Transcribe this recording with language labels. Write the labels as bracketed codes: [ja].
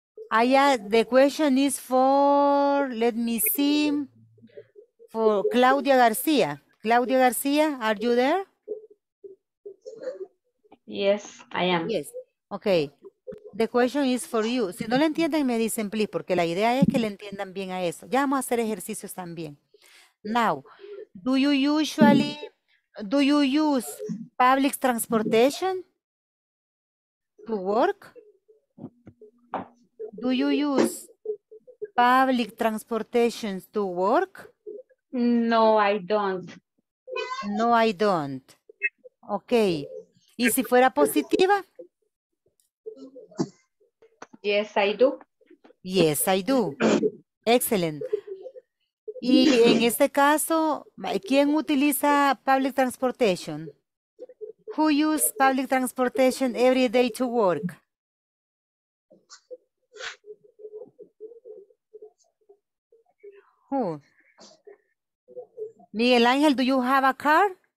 [en] The question is for, let me see, for Claudia García. Claudia García, are you there? Yes, I am. Yes, okay. The question is for you. [es] Si no la entienden, me dicen please, porque la idea es que le entiendan bien a eso. Ya vamos a hacer ejercicios también. [en] Now, do you use public transportation to work? Do you use public transportation to work? No, I don't. No, I don't. Okay. [es] ¿Y si fuera positiva? [en] Yes, I do. Yes, I do. Excellent. [es] Y en este caso, ¿quién utiliza [en] public transportation? Who uses public transportation every day to work? Who? Miguel Ángel, do you have a car?